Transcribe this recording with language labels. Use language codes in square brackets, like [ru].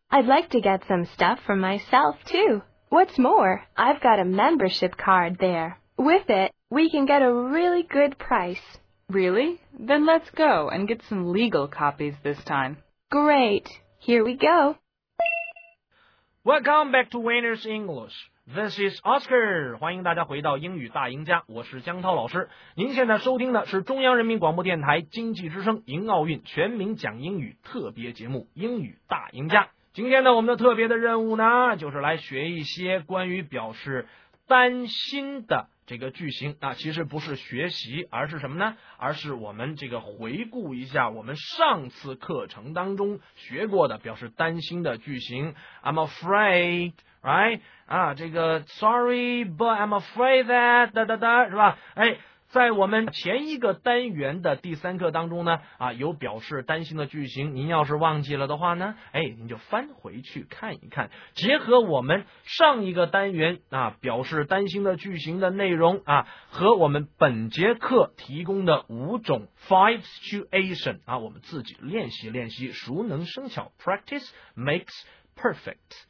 [en] I'd like to get some stuff for myself, too. What's more, I've got a membership card there. With it, we can get a really good price. Really? Then let's go and get some legal copies this time. Great. Here we go. Welcome back to Winner's English. This is Oscar， [zh] 欢迎大家回到英语大赢家，我是江涛老师。您现在收听的是中央人民广播电台经济之声迎奥运全民讲英语特别节目《英语大赢家》。今天呢，我们的特别的任务呢，就是来学一些关于表示担心的这个句型。那其实不是学习，而是什么呢？而是我们这个回顾一下我们上次课程当中学过的表示担心的句型。 [en] I'm afraid, right? [zh] 啊，这个 [en] sorry but I'm afraid that [zh] 哒哒哒，是吧？哎，在我们前一个单元的第三课当中呢，啊，有表示担心的句型，您要是忘记了的话呢，哎，您就翻回去看一看，结合我们上一个单元啊表示担心的句型的内容啊，和我们本节课提供的五种 [en] five situation [zh] 啊，我们自己练习练习，熟能生巧， [en] practice makes perfect。